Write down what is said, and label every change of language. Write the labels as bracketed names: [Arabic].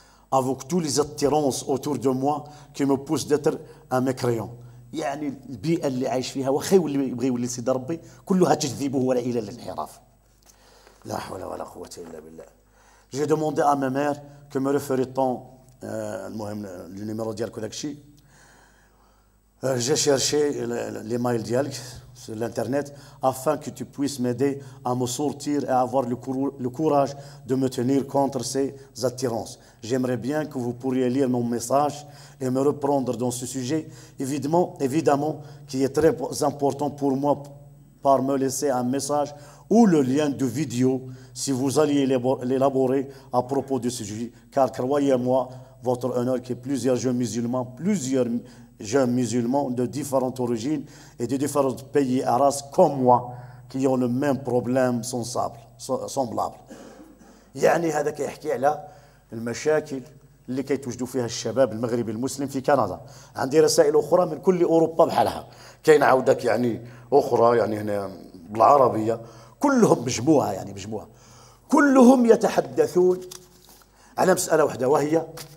[French] Avec tous les attirances autour de moi qui me poussent d'être un mécréant. [Arabic] يعني البيئة اللي عايش فيها واخا يولي يبغي يولي سيد ربي كلها تجذبه ولا إله للانحراف. لا حول ولا قوة إلا بالله. [French] J'ai demandé à ma mère que me referait-on. [Arabic] المهم le numéro ديالك وداك الشيء. [French] J'ai cherché l'email ديالك sur l'internet afin que tu puisses m'aider à me sortir et avoir le courage de me tenir contre ces attirances. J'aimerais bien que vous pourriez lire mon message et me reprendre dans ce sujet, évidemment, qui est très important pour moi, par me laisser un message ou le lien de vidéo si vous alliez l'élaborer à propos de ce sujet. Car croyez-moi, votre honneur, que plusieurs jeunes musulmans, jeunes musulmans de différentes origines et de différents pays et races comme moi qui ont le même problème semblable. [Arabic] يعني هذا كيحكي على المشاكل اللي كيتوجدوا فيها الشباب المغربي المسلم في كندا. عندي رسائل اخرى من كل اوروبا بحالها، كاين عاودك يعني اخرى يعني هنا بالعربيه، كلهم مجموعه يعني مجموعه كلهم يتحدثون على مساله واحده وهي